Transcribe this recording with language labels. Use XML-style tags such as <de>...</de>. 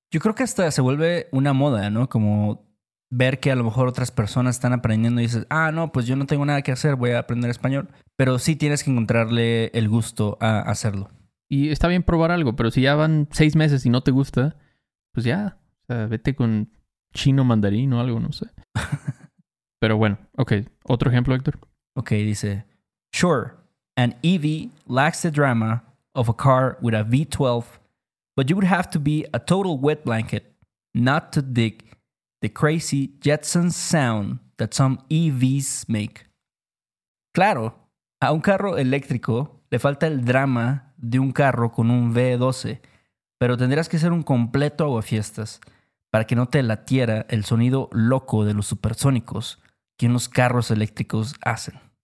<es>Yo creo que hasta se vuelve una moda, ¿no? Como... ver que a lo mejor otras personas están aprendiendo y dices, ah, no, pues yo no tengo nada que hacer, voy a aprender español. Pero sí tienes que encontrarle el gusto a hacerlo. Y está bien probar algo, pero si ya van 6 meses y no te gusta, pues ya, o sea, vete con chino mandarín o algo, no sé. Pero bueno, ok. ¿Otro ejemplo, Héctor?</es> <en>Ok,</en> <es>dice,</es> <en>sure, an EV lacks the drama of a car with a V12, but you would have to be a total wet blanket not to dig the crazy Jetsons sound that some EVs make.</en> <es>Claro, a un carro eléctrico le falta el drama de un carro con un V12, pero tendrías que ser un completo aguafiestas para que no te latiera el sonido loco de los supersónicos que unos carros eléctricos hacen.</es>